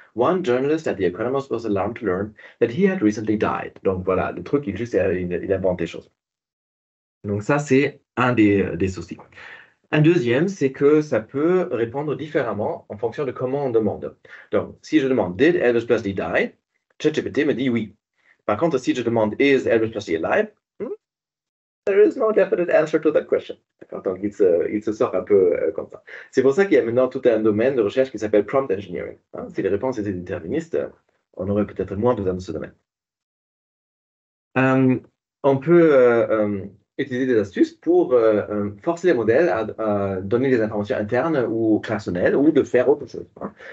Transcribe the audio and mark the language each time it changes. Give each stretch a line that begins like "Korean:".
English: One journalist at The Economist was alarmed to learn that he had recently died.
French: Donc, voilà, le truc, il invente des choses. Donc, ça, c'est un des soucis. Un deuxième, c'est que ça peut répondre différemment en fonction de comment on demande. Donc, si je demande
English: Did Elvis Presley die?
French: ChatGPT me dit oui. Par contre, si je demande
English: Is Elvis Presley alive? There is no definite answer to that question.
French: Donc, il se sort un peu comme ça. C'est pour ça qu'il y a maintenant tout un domaine de recherche qui s'appelle prompt engineering. Hein, si les réponses étaient déterministes, on aurait peut-être moins besoin de ce domaine. On peut utiliser des astuces pour forcer les modèles à donner des informations internes ou personnelles ou de faire autre chose. Hein.